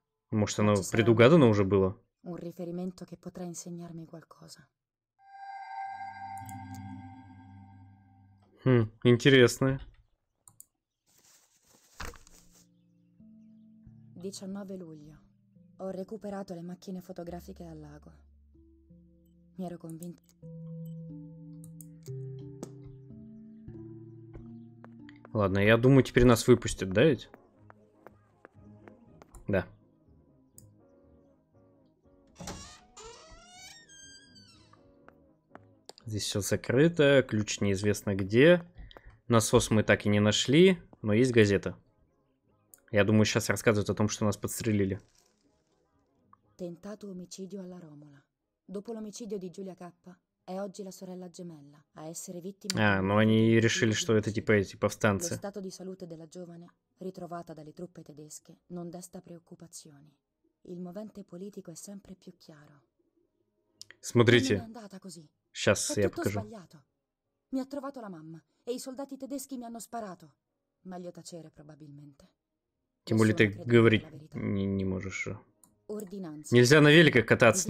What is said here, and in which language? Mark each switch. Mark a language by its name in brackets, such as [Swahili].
[Russian] Может, оно предугадано уже было? [Italian] Un riferimento che potrà insegnarmi qualcosa. [Russian] Интересно. [Italian] 19 luglio. Ho recuperato le macchine fotografiche dal lago. Mi ero convinto. [Russian] Ладно, я думаю, теперь нас выпустят, да ведь? Да. Здесь все закрыто, ключ неизвестно где. Насос мы так и не нашли, но есть газета. Я думаю, сейчас рассказывают о том, что нас подстрелили. [Italian] Tentato omicidio alla Romola. Dopo l'omicidio di Giulia Cappa, è oggi la sorella gemella a essere vittima. [Russian] А, ну они решили, что это типа эти повстанцы. [Italian] Lo stato di salute della giovane, ritrovata dalle truppe tedesche, non desta preoccupazioni. Il movente politico è sempre più chiaro. [Russian] Смотрите. Сейчас я покажу. [Italian] Mi ha trovato la mamma e i soldati tedeschi mi hanno sparato. Meglio tacere probabilmente. [Russian] Тем более ты говорить не можешь. Нельзя на великах кататься.